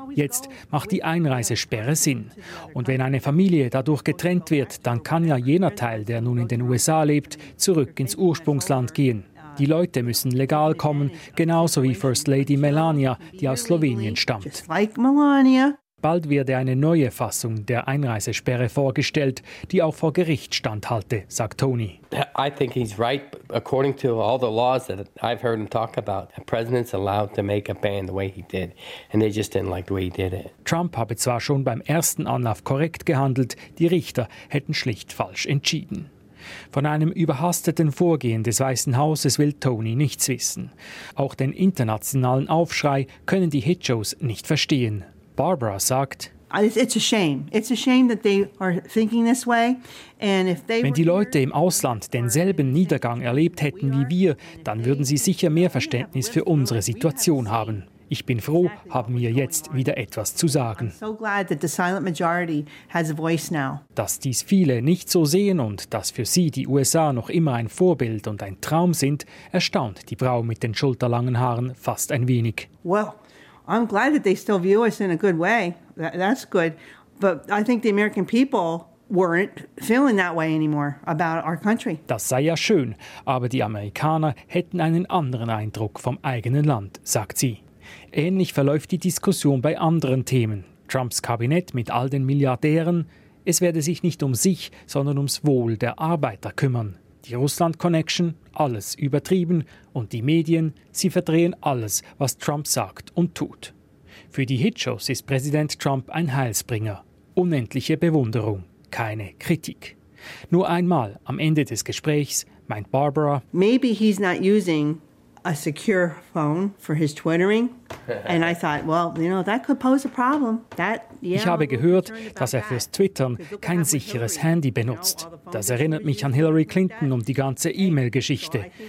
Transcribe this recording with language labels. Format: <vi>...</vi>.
<de>Jetzt macht die Einreisesperre Sinn. Und wenn eine Familie dadurch getrennt wird, dann kann ja jener Teil, der nun in den USA lebt, zurück ins Ursprungsland gehen. Die Leute müssen legal kommen, genauso wie First Lady Melania, die aus Slowenien stammt. Bald werde eine neue Fassung der Einreisesperre vorgestellt, die auch vor Gericht standhalte, sagt Tony.</de> <en>I think he's right according to all the laws that I've heard him talk about. The president's allowed to make a ban the way he did and they just didn't like the way he did it.</en> <de>Trump habe zwar schon beim ersten Anlauf korrekt gehandelt, die Richter hätten schlicht falsch entschieden. Von einem überhasteten Vorgehen des Weißen Hauses will Tony nichts wissen. Auch den internationalen Aufschrei können die Hitchos nicht verstehen. Barbara sagt: Wenn die Leute im Ausland denselben Niedergang erlebt hätten wie wir, dann würden sie sicher mehr Verständnis für unsere Situation haben. Ich bin froh, haben wir jetzt wieder etwas zu sagen. Dass dies viele nicht so sehen und dass für sie die USA noch immer ein Vorbild und ein Traum sind, erstaunt die Frau mit den schulterlangen Haaren fast ein wenig.</de> <en>Well, I'm glad that they still view us in a good way. That's good. But I think the American people weren't feeling that way anymore about our country.</en> <de>Das sei ja schön, aber die Amerikaner hätten einen anderen Eindruck vom eigenen Land, sagt sie. Ähnlich verläuft die Diskussion bei anderen Themen. Trumps Kabinett mit all den Milliardären, es werde sich nicht um sich, sondern ums Wohl der Arbeiter kümmern. Die Russland-Connection, alles übertrieben. Und die Medien, sie verdrehen alles, was Trump sagt und tut. Für die Hitchos ist Präsident Trump ein Heilsbringer. Unendliche Bewunderung, keine Kritik. Nur einmal am Ende des Gesprächs meint Barbara:</de> <en>Maybe he's not using a secure phone for his twittering. And I thought, well, you know, that could pose a problem.</en> <de>Ich habe gehört, dass er fürs Twittern kein sicheres Handy benutzt. Das erinnert mich an Hillary Clinton und die ganze E-Mail-Geschichte.</de>